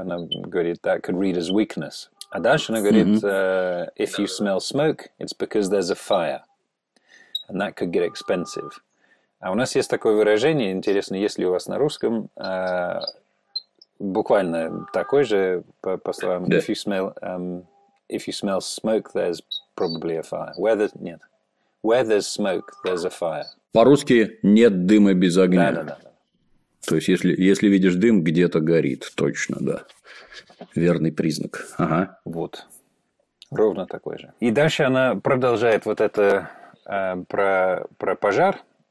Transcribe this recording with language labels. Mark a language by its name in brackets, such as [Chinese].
[Russian] Она говорит, [English] that could read as weakness. [Russian] А дальше она говорит, [English] if you smell smoke, it's because there's a fire, and that could get expensive. [Russian] А у нас есть такое выражение, интересно, есть ли у вас на русском, буквально такое же, по словам, yeah. [English] if you smell smoke, there's probably a fire. Where there's smoke, there's a fire. [Russian] По-русски нет дыма без огня. Да. То есть, если видишь дым, где-то горит, точно, да. Верный признак. Ага. Вот. Ровно такой же. И дальше она продолжает вот это про пожар.